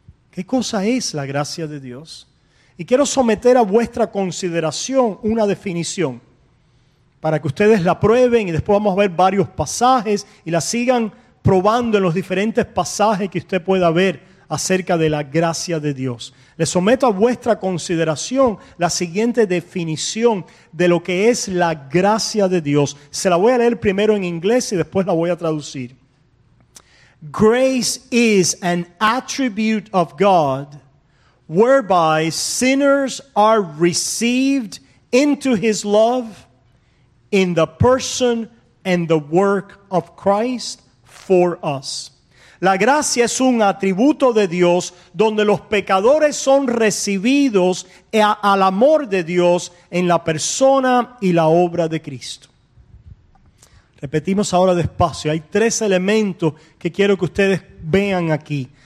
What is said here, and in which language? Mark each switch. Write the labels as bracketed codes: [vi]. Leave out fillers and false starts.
[es] ¿Qué cosa es la gracia de Dios? Y quiero someter a vuestra consideración una definición para que ustedes la prueben y después vamos a ver varios pasajes y la sigan probando en los diferentes pasajes que usted pueda ver acerca de la gracia de Dios. Le someto a vuestra consideración la siguiente definición de lo que es la gracia de Dios. Se la voy a leer primero en inglés y después la voy a traducir. [en] Grace is an attribute of God whereby sinners are received into his love in the person and the work of Christ for us. [es] La gracia es un atributo de Dios donde los pecadores son recibidos al amor de Dios en la persona y la obra de Cristo. Repetimos ahora despacio. Hay tres elementos que quiero que ustedes vean aquí.